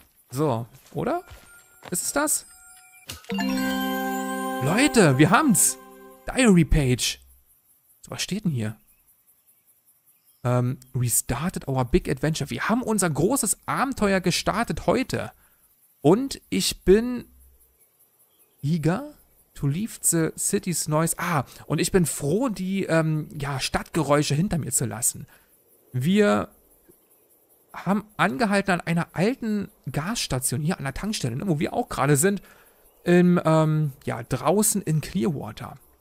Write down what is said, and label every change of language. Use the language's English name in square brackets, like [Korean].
[German] So, oder? Ist es das? Leute, wir haben's. Diary Page. So, was steht denn hier? [English] Restarted our big adventure. [German] Wir haben unser großes Abenteuer gestartet heute. Und ich bin... [English] eager to leave the city's noise. [German] Ah, und ich bin froh, die Stadtgeräusche hinter mir zu lassen. Wir haben angehalten an einer alten Gasstation hier an der Tankstelle, ne, wo wir auch gerade sind, im draußen in Clearwater.